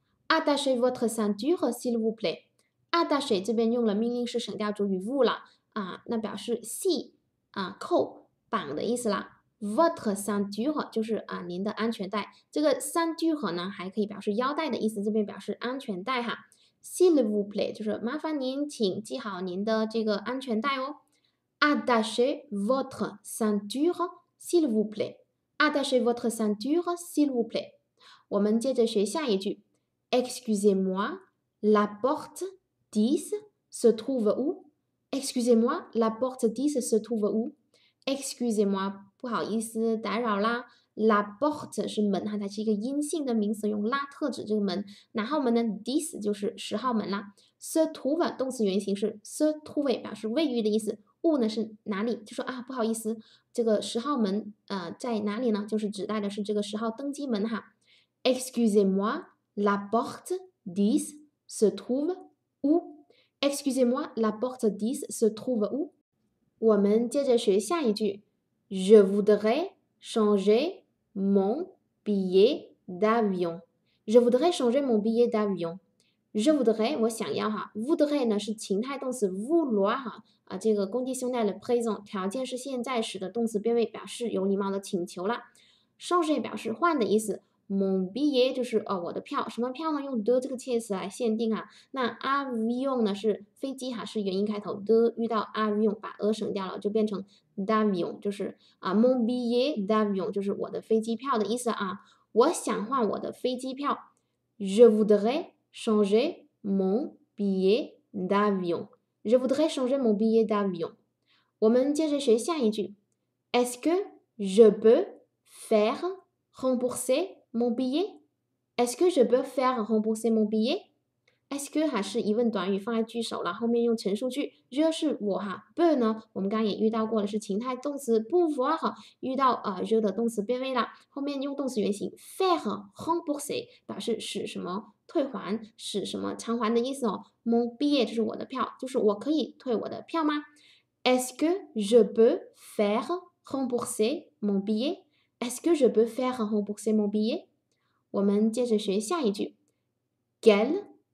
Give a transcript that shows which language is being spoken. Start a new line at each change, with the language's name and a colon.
French: Attachez votre ceinture, s'il vous plaît.
Chinese: Attacher 这边用了命令式省调主语 vous 了那表示系扣绑的意思啦。 Votre ceinture 就是您的安全带，这个 ceinture 呢还可以表示腰带的意思，这边表示安全带哈。 S'il vous plaît 就是麻烦您请系好您的这个安全带哦。
French: Attacher votre ceinture s'il vous plaît. Attacher votre ceinture s'il vous plaît.
Chinese: 我们接着学下一句。
French: Excusez-moi, la porte10 se trouve où? Excusez-moi, la porte 10 se trouve où?
Chinese: Excusez-moi, 不好意思，打扰啦。La porte 是门，它是一个阴性的名词，用 la 特指这个门。哪号门呢？10 就是十号门啦。 Se trouve 动词原形是 se trouve 表示位于的意思。Où 呢是哪里？就说啊，不好意思，这个十号门在哪里呢？就是指代的是这个十号登机门哈。
French: Excusez-moi, la porte 10 se trouve où? Où? Excusez-moi, la porte 10 se trouve où?
Chinese: 我们接着学下一句。
French: Je voudrais changer mon billet d'avion. Je voudrais changer mon billet d'avion. Je voudrais, 我想要哈。
Chinese: Voudrais 呢是情态动词 vouloir 哈。这个 conditionnel 的 present 条件是现在时的动词变位，表示有礼貌的请求了。 Changer 表示换的意思。Mon billet 就是我的票，什么票呢？用 de 这个介词来限定啊。那 avion 呢是飞机哈，是元音开头 ，de 遇到 avion 把 a 省掉了，就变成 d'avion， 就是 mon billet d'avion 就是我的飞机票的意思啊。我想换我的飞机票。
French: Je voudrais changer mon billet d'avion. Je voudrais changer mon billet d'avion.
Chinese: 我们接着学下一句。
French: Est-ce que je peux faire rembourser?Mon billet? Est-ce que je peux faire rembourser mon billet?
Chinese: SQ 哈是疑问短语，放在句首了，后面用陈述句。热是我哈 ，bird 呢，我们刚刚也遇到过的是情态动词不符哈，遇到热的动词变位了，后面用动词原形 faire rembourser 表示使什么退还，使什么偿还的意思哦。 mon billet 就是我的票，就是我可以退我的票吗 ？ Est-ce que je peux faire rembourser mon billet？
French: Est-ce que je peux faire rembourser mon billet？
Chinese: 我们接着学下一句 ，quel。